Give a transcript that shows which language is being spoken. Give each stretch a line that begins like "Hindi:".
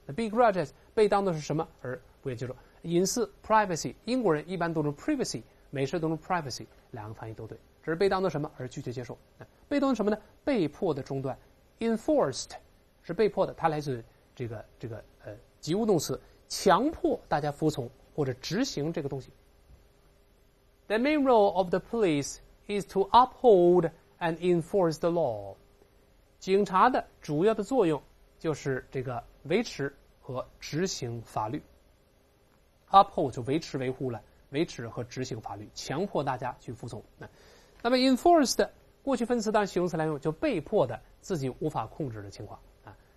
Chinese: be grudges 被当作是什么而不愿意接受，隐私 privacy， 英国人一般都是 privacy， 美式都是 privacy， 两个翻译都对，只是被当作什么而拒绝接受。被动什么呢？被迫的中断， enforced 是被迫的，它来自这个及物动词，强迫大家服从或者执行这个东西。
English: The main role of the police is to uphold and enforce the law。
Chinese: 警察的主要的作用就是这个维持和执行法律。 uphold 就维持维护了，维持和执行法律，强迫大家去服从。那么 enforced 过去分词当形容词来用，就被迫的，自己无法控制的情况啊。